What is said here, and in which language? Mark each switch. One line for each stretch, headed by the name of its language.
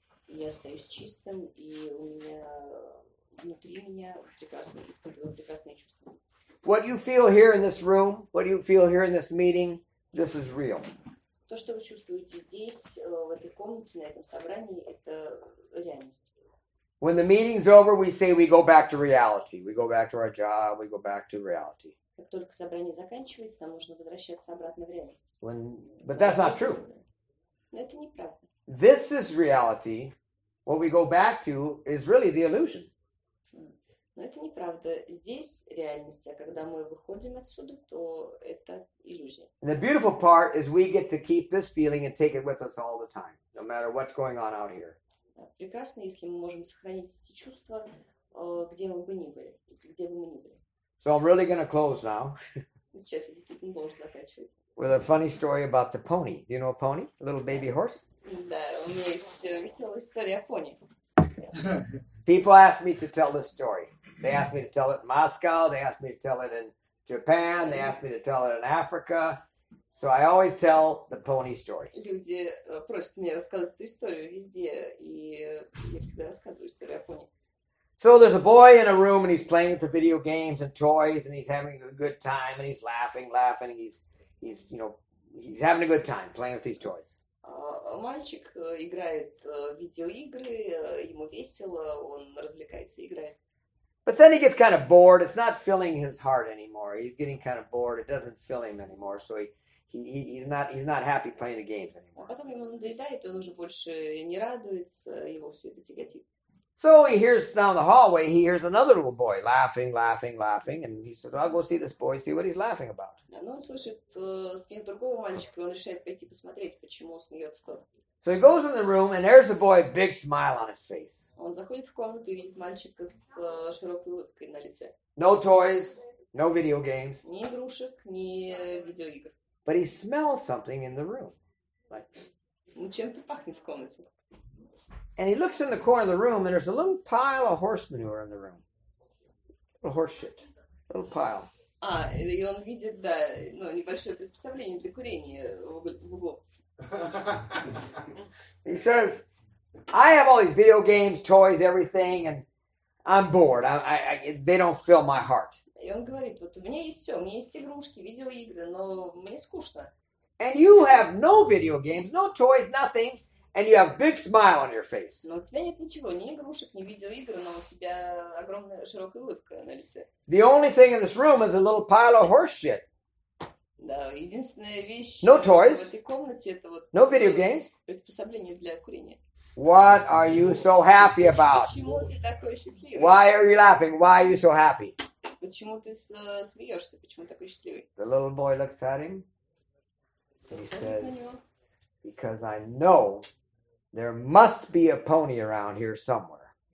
Russian: Я остаюсь чистым, и у меня внутри меня прекрасные чувства.
English: What you feel here in this room, what you feel here in this meeting, this is real.
Russian: То, что вы чувствуете здесь, в этой комнате, на этом собрании, это реальность.
English: When the meeting's over, we say we go back to reality. We go back to our job. We go back to reality.
Russian: Как только собрание заканчивается, нам нужно возвращаться обратно в реальность.
English: But that's not true.
Russian: Но это неправда.
English: This is reality. What we go back to is really the illusion.
Russian: Но это неправда. Здесь реальность, а когда мы выходим отсюда, то это иллюзия.
English: And the beautiful part is we get to keep this feeling and take it with us all the time, no matter what's going on out here.
Russian: Прекрасно, если мы можем сохранить эти чувства, где мы бы ни были, где бы мы ни были.
English: So I'm really going to close now.
Russian: Сейчас я действительно должен заканчивать.
English: With a funny story about the pony. Do you know a pony? A little baby horse?
Russian: Да, у меня есть веселая история о пони.
English: People ask me to tell this story. They ask me to tell it in Moscow. They ask me to tell it in Japan. They ask me to tell it in Africa. So I always tell the pony story.
Russian: Люди просят меня рассказать эту историю везде, и я всегда рассказываю историю о пони.
English: So there's a boy in a room, and he's playing with the video games and toys, and he's having a good time, and he's laughing, and he's you know, he's having a good time playing with these toys.
Russian: Мальчик играет видеоигры, ему весело, он развлекается, играет.
English: But then he gets kind of bored. It's not filling his heart anymore. He's getting kind of bored. It doesn't fill him anymore. So he's not happy playing the games anymore.
Russian: А потом ему надоедает, он уже больше не радуется, его все это тяготит.
English: So he hears down the hallway, he hears another little boy laughing, and he says, "I'll go see this boy, see what he's laughing about."
Russian: Ну, он слышит смех другого мальчика, и он решает пойти посмотреть, почему смеется тот.
English: So he goes in the room, and there's a boy, big smile on his face.
Russian: Он заходит в комнату и видит мальчика с широкой улыбкой на лице.
English: No toys, no video games.
Russian: Ни игрушек, ни видеоигр.
English: But he smells something in the room.
Russian: Ну, чем-то пахнет в комнате.
English: And he looks in the corner of the room, and there's a little pile of horse manure in the room. A little horse shit. A little pile.
Russian: А, и он видит, да, ну, небольшое приспособление для курения в углу.
English: He says, "I have all these video games, toys, everything, and I'm bored. They don't fill my heart."
Russian: И он говорит, вот у меня есть все, у меня есть игрушки, видеоигры, но мне скучно.
English: And you have no video games, no toys, nothing, and you have big smile on your face.
Russian: Но у тебя нет ничего, ни игрушек, ни видеоигр, но у тебя огромная широкая улыбка на лице.
English: The only thing in this room is a little pile of horse shit.
Russian: Да, единственная вещь
English: no toys,
Russian: в этой комнате это вот
English: no video games.
Russian: Приспособление для курения.
English: What are you so happy about?
Russian: Почему ты такой счастливый?
English: Why are you laughing? Why are you so happy?
Russian: Почему ты смеешься? Почему такой счастливый?
English: The little boy looks at him. He says, "Because I know there must be a pony around here somewhere."